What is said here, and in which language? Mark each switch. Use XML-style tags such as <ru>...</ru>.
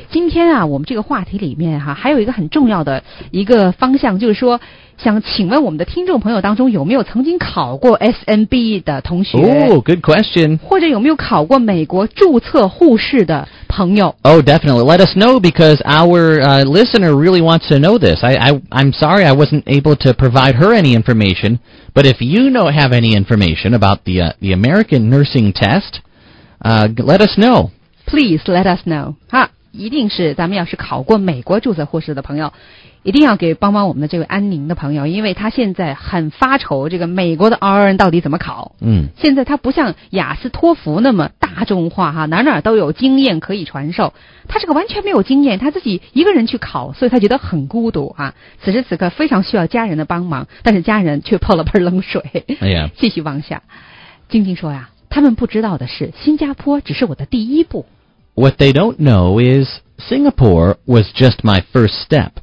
<zh>今天啊，我们这个话题里面哈，还有一个很重要的一个方向，就是说，想请问我们的听众朋友当中有没有曾经考过 SNB 的同学？</zh> <en>Oh, good question.</en> <zh>或者有没有考过美国注册护士的朋友</zh> <en>？Oh, definitely. Let us know because our listener really wants to know this. I'm sorry I wasn't able to provide her any information. But if you know have any information about the American Nursing Test. Let us know. Please let us know.</en> <zh>哈，一定是咱们要是考过美国注册护士的朋友，一定要给帮忙我们的这位安宁的朋友，因为他现在很发愁这个美国的 RN 到底怎么考。嗯，现在他不像雅思托福那么大众化哈，哪哪都有经验可以传授，他这个完全没有经验，他自己一个人去考，所以他觉得很孤独哈。此时此刻非常需要家人的帮忙，但是家人却泼了盆冷水。哎呀，继续往下，晶晶说呀。他们不知道的是，新加坡只是我的第一步。</zh> <en>What they don't know is Singapore was just my first step.</en>